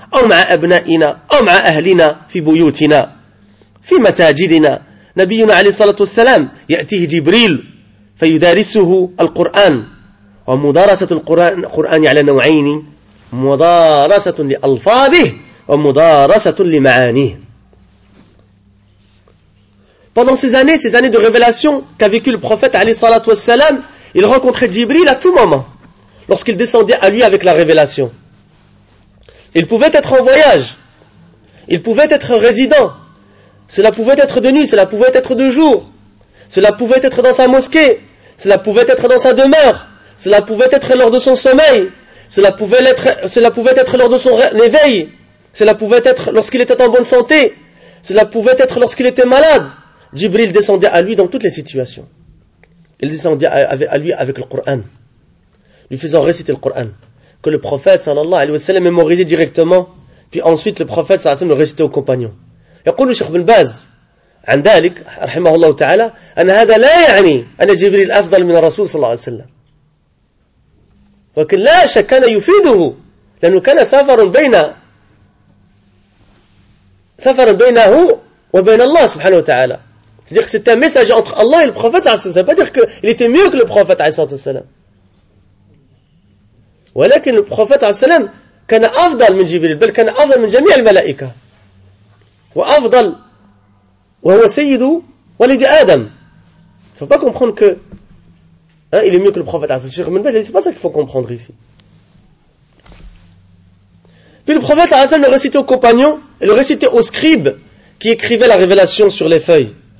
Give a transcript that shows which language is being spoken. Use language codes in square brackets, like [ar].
[ar] أو مع أبنائنا أو مع أهلنا في بيوتنا في مساجدنا. نبينا عليه الصلاة والسلام يأتيه جبريل فيدارسه القرآن. ومدارسة القرآن على نوعين: مدارسة لألفاظه ومدارسة لمعانيه. [fr] Pendant ces années de révélation qu'a vécu le prophète Ali Salat wa Salam, il rencontrait Jibril à tout moment, lorsqu'il descendait à lui avec la révélation. Il pouvait être en voyage, il pouvait être résident, cela pouvait être de nuit, cela pouvait être de jour, cela pouvait être dans sa mosquée, cela pouvait être dans sa demeure, cela pouvait être lors de son sommeil, cela pouvait être lors de son éveil, cela pouvait être lorsqu'il était en bonne santé, cela pouvait être lorsqu'il était malade. Jibril descendait à lui dans toutes les situations. Il descendait à lui avec le Coran, lui faisant réciter le Coran, que le prophète sallallahu alayhi wa sallam mémorisait directement, puis ensuite le prophète sallallahu alayhi wa sallam le récitait aux compagnons. [ar] يقول الشيخ بن باز عن ذلك رحمه الله تعالى أن هذا لا يعني أن جبريل أفضل من الرسول صلى الله عليه وسلم، ولكن لا شك كان يفيده، لأنه كان سفر بينه وبين الله سبحانه وتعالى. [fr] C'est-à-dire que c'est un message entre Allah et le prophète. Ça ne veut pas dire qu'il était mieux que le prophète. Mais le prophète [ar] كان أفضل من جبريل، بل كان أفضل من جميع الملائكة. وأفضل وهو سيد ولد آدم. [fr] Il ne faut pas comprendre que il est mieux que le prophète. C'est pas ça qu'il faut comprendre ici. Puis le prophète le récitait aux compagnons et le récitait aux scribes qui écrivaient la révélation sur les feuilles.